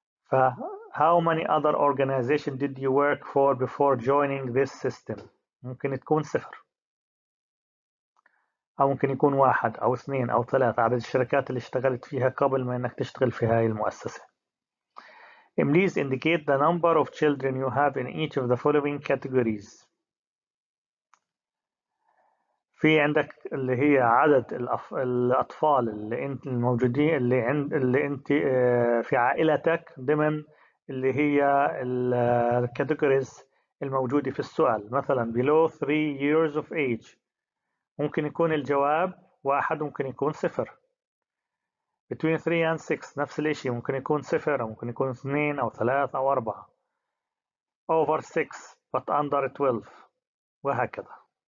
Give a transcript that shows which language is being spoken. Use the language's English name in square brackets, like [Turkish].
[Arabic] ف [English] how many other organization did you work for before joining this system؟ [Arabic] ممكن تكون صفر، أو ممكن يكون واحد أو اثنين أو ثلاثة، عدد الشركات اللي اشتغلت فيها قبل ما إنك تشتغل في هاي المؤسسة. [English] Please indicate the number of children you have in each of the following categories. [Arabic] في عندك اللي هي عدد الأطفال اللي أنت الموجودين اللي عند اللي أنت في عائلتك ضمن اللي هي الكاتيجوريز الموجودة في السؤال، مثلا [English] below 3 years of age [Arabic] ممكن يكون الجواب واحد ممكن يكون صفر، [English] between 3 and 6 [Arabic] نفس الاشي ممكن يكون صفر أو ممكن يكون اثنين أو ثلاث أو أربعة، [English] over 6 but under 12 [Arabic] وهكذا.